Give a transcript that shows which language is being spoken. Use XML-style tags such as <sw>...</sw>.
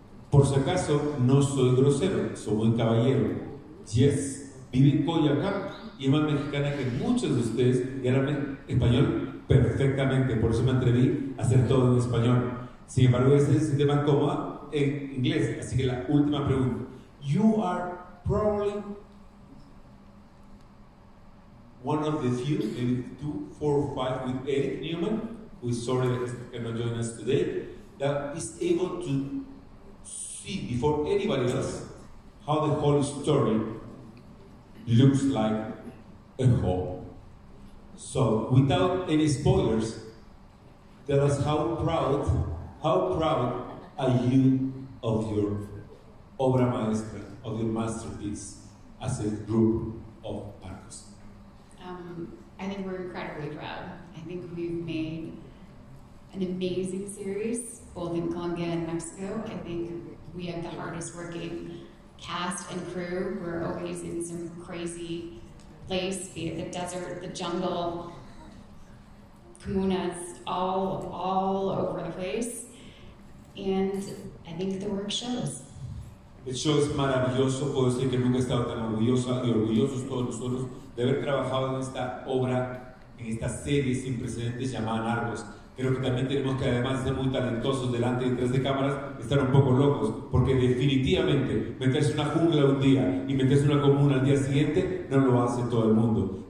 <es>Por si acaso, no soy grosero, soy un caballero.</es> <en>Yes.</en> <es>Vive en Coyoacán y es más mexicana que muchos de ustedes y hablan español perfectamente. Por eso me atreví a hacer todo en español. Sin embargo, ustedes se sienten más cómoda en inglés. Así que la última pregunta.</es> <en>You are probably one of the few, maybe 2, 4, 5 with Eric Newman, who is sorry that he cannot join us today, that is able to see before anybody else how the whole story looks like a whole. So, without any spoilers, tell us how proud are you of your</en> <es>obra maestra,</es> <en>of your masterpiece, as a group of Arcos? I think we're incredibly proud. I think we've made an amazing series, both in Colombia and Mexico. I think we have the hardest working cast and crew. We're always in some crazy place, be it the desert, the jungle, comunas, all over the place. And I think the work shows.</en> <es>El show es maravilloso. Puedo decir que nunca he estado tan orgullosa y orgullosos todos nosotros de haber trabajado en esta obra, en esta serie sin precedentes llamada Narcos. Creo que también tenemos que, además de ser muy talentosos delante y detrás de cámaras, estar un poco locos, porque definitivamente meterse en una jungla un día y meterse en una comuna al día siguiente no lo hace todo el mundo.</es>